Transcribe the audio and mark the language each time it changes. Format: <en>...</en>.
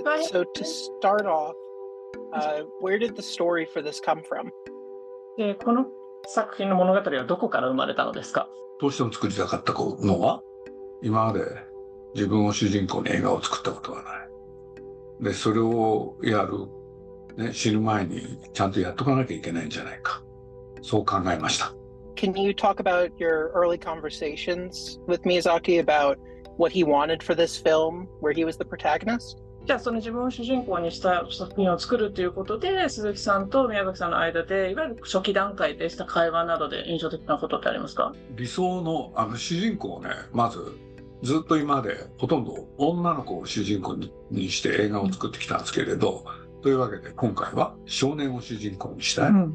<en>So to start off, where did the story for this come from?</en> <ja>この作品の物語はどこから生まれたのですか？どうしても作りたかったのは、今まで自分を主人公に映画を作ったことがない。で、それをやる、ね、死ぬ前にちゃんとやっとかなきゃいけないんじゃないか。そう考えました。</ja> <en>Can you talk about your early conversations with Miyazaki about what he wanted for this film, where he was the protagonist?</en> <ja>じゃあその自分を主人公にした作品を作るということで、鈴木さんと宮崎さんの間でいわゆる初期段階でした会話などで印象的なことってありますか？理想の、あの主人公をね、まずずっと今までほとんど女の子を主人公にして映画を作ってきたんですけれど、というわけで今回は少年を主人公にしたい。</ja>